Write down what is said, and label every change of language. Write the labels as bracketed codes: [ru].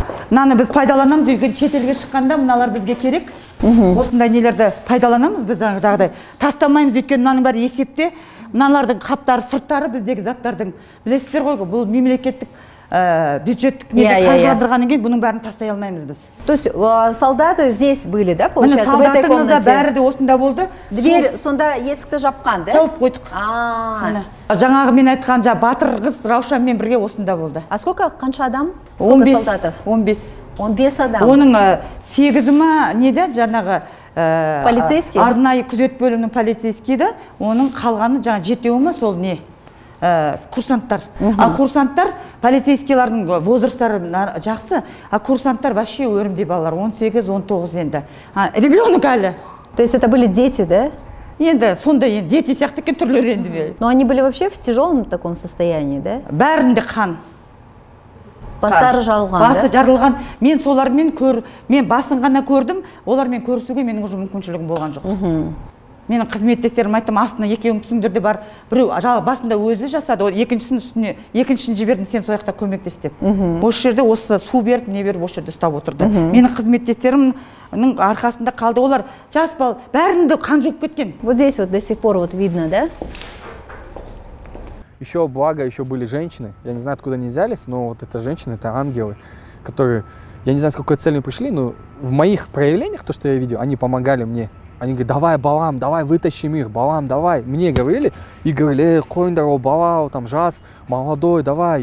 [kk] Мынаны біз пайдаланамыз, үйден шетелге шыққанда мыналар бізге керек. Осындай нелерді пайдаланамыз біз жағдай. Тастамаймыз, өйткені мынаның бәрі есепте. Мыналардың қаптары, сырттары біздегі заттардың. Білесіздер ғой, бұл мемлекеттік бюджеттік неде қаржыландырғаннан кейін бұның бәрін тастай алмаймыз біз. [ru] То есть солдаты здесь были, да, получается, в этой комнате? [kk] Солдатының да бәрі де осында болды. Дверь сонда есікті жапқан, да? Жауып қойдық. Жаңағы мен айтқан жа батыр қыз Раушанмен бірге осында болды. [ru] А сколько, [kk] қанша адам? [ru] Сколько солдатов? 15. [kk] 15 адам? Оның 8-і ма, неде жаңағы? [ru] Полицейский? [kk] Арнайы күзет бөлімінің полицейскийді, оның қалғаны жаңа жетеуі ма сол не? Курсанттар. А курсанттар, полицейскийлардың возрасттары жақсы, а курсанттар вообще өрімдей балалар, 18-19 енді. Ребенок әлі. [ru] То есть это были дети, да? [kk] Енді, сонда енді, дети сияқты кен түрлер енді бе. [ru] Но они были вообще в тяжелом таком состоянии, да? [kk] Бәрінде қан. Бастары жарылған, да? Басы жарылған. Мен солармен көр, мен басын ғана көрдім, олармен көрісуге менің жұмын көншілігім болған жоқ. мен қызметтестерім айттым, астына екеуің түсіңдер де бар. Біреу жалпы басында өзі жасады, екіншісін үстіне, екіншісін жібердім, сен сол жақта көмектес деп. Осы жерде осы су беріп, не беріп осы жерде ұстап отырды. Менің қызметтестерімнің арқасында қалды. Олар жас бал, бәрін де қан жуып кеткен. [ru] Вот здесь вот до сих пор вот видно, да? Еще благо, еще были женщины. Я не знаю, откуда они взялись, но вот эта женщина, это ангелы, которые, я не знаю, с какой целью пришли, но в моих проявлениях, то, что я видел, они помогали мне. Они говорят, давай, Балам, давай, вытащи мир, Балам, давай. Мне говорили и говорили, коин дорогу, Балау, там, жас, молодой, давай.